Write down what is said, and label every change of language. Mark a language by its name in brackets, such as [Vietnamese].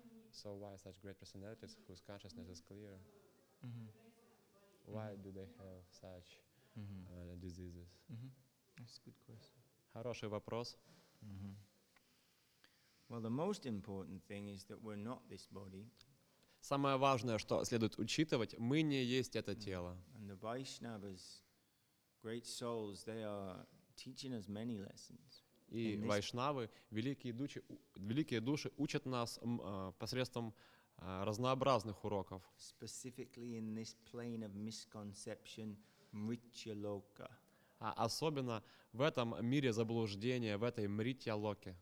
[English] So why such great personalities whose consciousness is clear? Why do they have such diseases? That's a good question. [Russian] Хороший вопрос. [English] Well, the most important thing is that we're not this body. [Russian] Самое важное, что следует учитывать, мы не есть это тело. [English] And the Vaishnavas, great souls, they are teaching us many lessons. [Russian] И Вайшнавы, великие души, учат нас посредством разнообразных уроков. [English] Specifically in this plane of misconception, Mrityaloka. [Russian] А особенно в этом мире заблуждения, в этой Мритья-локе.